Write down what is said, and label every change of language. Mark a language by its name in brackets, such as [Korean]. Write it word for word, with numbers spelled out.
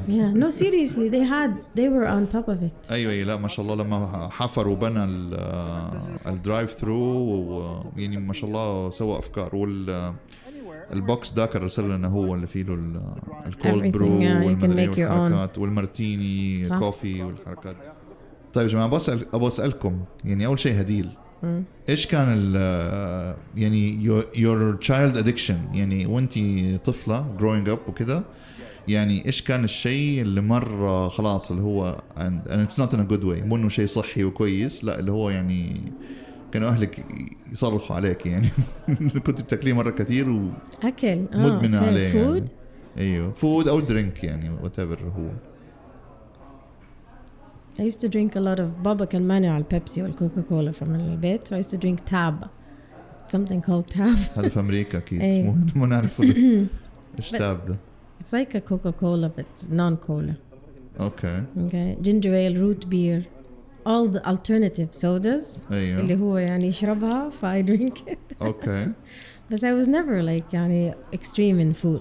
[English] Yeah, no seriously, they had, they were on top of it. [Arabic] أيوة أيوة, لا ما شاء الله لما حفروا بنى ال الدرايف ثرو, يعني ما شاء الله سوى أفكار. وال البوكس ده كان رسل لنا هو اللي فيه له الكولد برو والحركات والمارتيني كوفي والحركات. طيب يا جماعة بسأل أبغى أسألكم, يعني أول شيء هديل, إيش كان ال يعني [English] your your child addiction, [Arabic] يعني وأنتي طفلة [English] growing up [Arabic] وكذا, يعني إيش كان الشيء اللي مرة خلاص اللي هو [English] and, and it's not in a good way, [Arabic] مو إنه شيء صحي وكويس, لا اللي هو يعني كانوا أهلك يصرخوا عليك يعني كنت بتاكليه مرة كتير وأكل مدمنة عليه يعني. أيوة فود أو درينك يعني whatever هو. [English] I used to drink a lot of, [Arabic] بابا كان مانع على البيبسي والكوكاكولا [English] from البيت, so I used to drink tab, something called tab. [Arabic] هذا في أمريكا أكيد مو نعرفه إيش تاب ده. [English] It's like a Coca-Cola but non-cola. Okay. Okay. Ginger ale, root beer, all the alternative sodas. [Arabic] أيوة. اللي هو يعني يشربها فاي [English] drink it. Okay. But I was never like يعني extreme in food.